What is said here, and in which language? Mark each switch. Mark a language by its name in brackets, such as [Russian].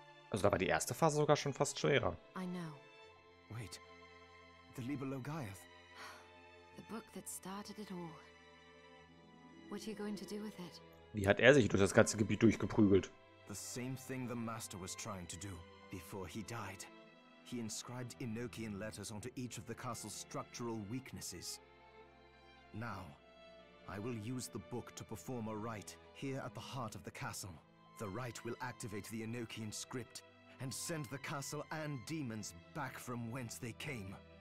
[German] Also da war die erste Phase sogar schon fast schwerer. [English] I know. Wait. The Liber Logaeth. The book that started it all. What are you going to do with it? [German] Wie hat er sich durch das ganze Gebiet durchgeprügelt? [English] The same thing the Master was trying to do before he died. He inscribed Enochian letters onto each of the castle's structural weaknesses. Now, I will use the book to perform a rite here at the heart of the castle. The rite will activate the Enochian script and send the castle and demons back from whence they came.